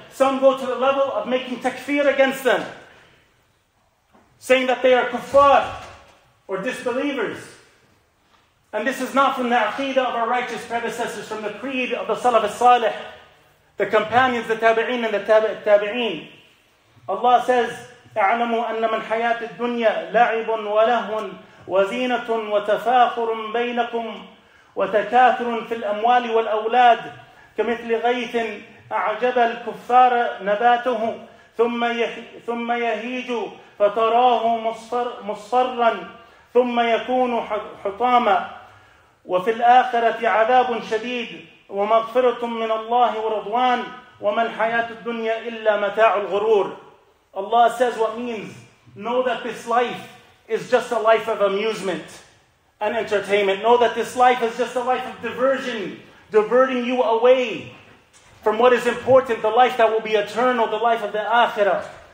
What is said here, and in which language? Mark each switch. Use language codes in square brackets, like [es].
[en] Some go to the level of making takfir against them, saying that they are kuffar or disbelievers. And this is not from the aqidah of our righteous predecessors, from the creed of the Salaf al-Salih, the companions, the tabi'in and the tabi'in. Allah says, [ar] اعلموا أن من حياة الدنيا لعب ولهو وزينة وتفاخر بينكم وتكاثر في الأموال والأولاد كمثل غيث أعجب الكفار نباته ثم يهيج فتراه مصرا ثم يكون حطاما وفي الآخرة عذاب شديد ومغفرة من الله ورضوان وما الحياة الدنيا إلا متاع الغرور. [en] Allah says what means, know that this life is just a life of amusement and entertainment. Know that this life is just a life of diversion, diverting you away from what is important, the life that will be eternal, the life of the Akhirah.